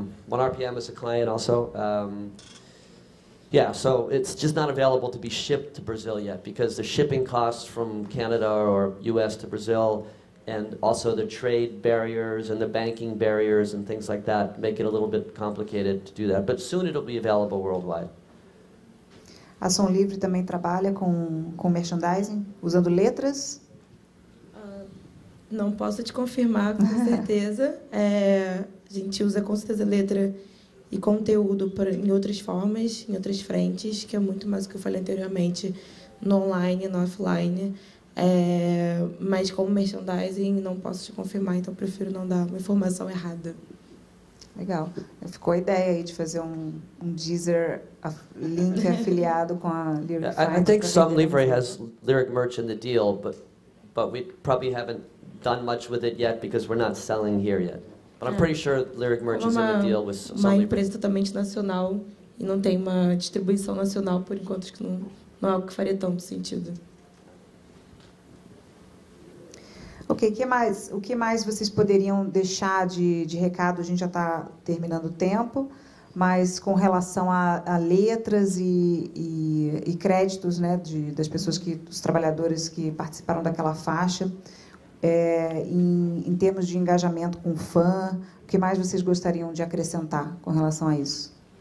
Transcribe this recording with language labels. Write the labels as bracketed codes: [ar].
[en] 1RPM is a client also. Yeah, so it's just not available to be shipped to Brazil yet because the shipping costs from Canada or US to Brazil and also the trade barriers and the banking barriers and things like that make it a little bit complicated to do that. But soon it'll be available worldwide. [pt] A Som Livre também trabalha com merchandising, usando letras? Não posso te confirmar com certeza. gente usa com certeza letra e conteúdo em outras formas, em outras frentes, que é muito mais do que eu falei anteriormente, no online, no offline. Mas como merchandising, não posso te confirmar, então prefiro não dar uma informação errada. Legal. Ficou a ideia aí de fazer um Deezer link afiliado com a Lyric Finder. [en] I think some livery has Lyric merch in the deal, but we probably haven't done much with it yet because we're not selling here yet. But I'm pretty sure Lyric merch is in the deal with some livery. [pt] Uma empresa totalmente nacional e não tem uma distribuição nacional, por enquanto, acho que não é algo que faria tanto sentido. Ok, o que mais vocês poderiam deixar de recado? A gente já está terminando o tempo, mas com relação a letras e créditos, né, das pessoas que, dos trabalhadores que participaram daquela faixa, em termos de engajamento com fã, o que mais vocês gostariam de acrescentar com relação a isso?